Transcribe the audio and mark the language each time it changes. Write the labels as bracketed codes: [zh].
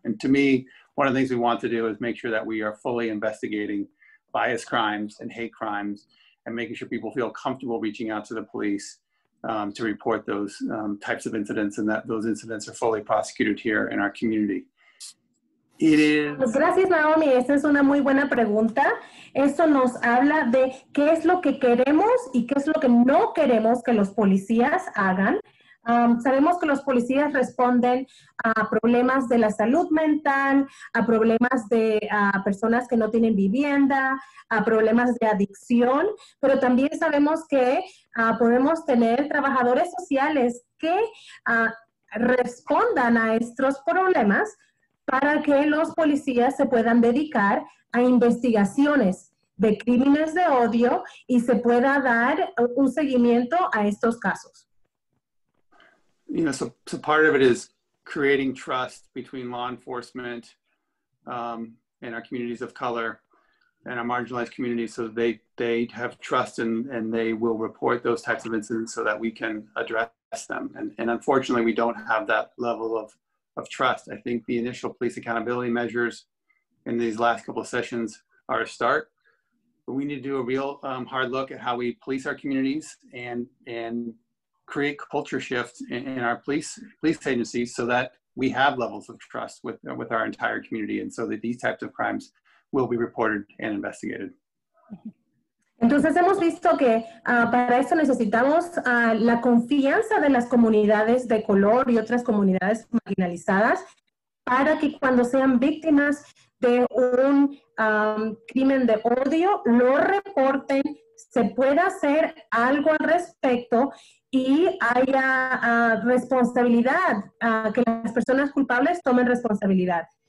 [en] And to me, one of the things we want to do is make sure that we are fully investigating bias crimes and hate crimes and making sure people feel comfortable reaching out to the police to report those types of incidents, and that those incidents are fully prosecuted here in our community. [es] Gracias, Naomi. Esa es una muy buena pregunta. Eso nos habla de qué es lo que queremos y qué es lo que no queremos que los policías hagan. Sabemos que los policías responden a problemas de la salud mental, a problemas de personas que no tienen vivienda, a problemas de adicción, pero también sabemos que podemos tener trabajadores sociales que respondan a estos problemas para que los policías se puedan dedicar a investigaciones de crímenes de odio y se pueda dar un seguimiento a estos casos. [en] You know, so part of it is creating trust between law enforcement and our communities of color and our marginalized communities, so that they have trust and they will report those types of incidents so that we can address them. And unfortunately, we don't have that level of trust. I think the initial police accountability measures in these last couple of sessions are a start, but we need to do a real hard look at how we police our communities and create culture shifts in our police agencies so that we have levels of trust with our entire community, and so that these types of crimes will be reported and investigated. [es] Entonces hemos visto que para eso necesitamos la confianza de las comunidades de color y otras comunidades marginalizadas para que cuando sean víctimas de un crimen de odio lo reporten, se pueda hacer algo al respecto y haya responsabilidad, que las personas culpables tomen responsabilidad.